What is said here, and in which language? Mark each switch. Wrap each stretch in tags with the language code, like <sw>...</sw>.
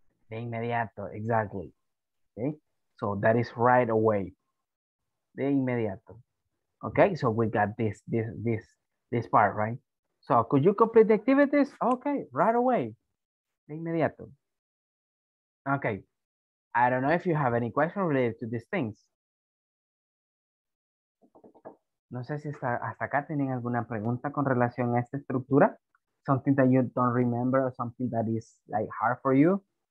<es>De inmediato,</es> <en>exactly. Okay. So that is right away. De inmediato. Okay, so we got this part, right? So could you complete the activities? Okay, right away.</en> <es>De inmediato.</es> <en>Okay. I don't know if you have any questions related to these things.</en> <es>No sé si hasta acá tienen alguna pregunta con relación a esta estructura.</es> <en>Something that you don't remember or something that is like hard for you.</en>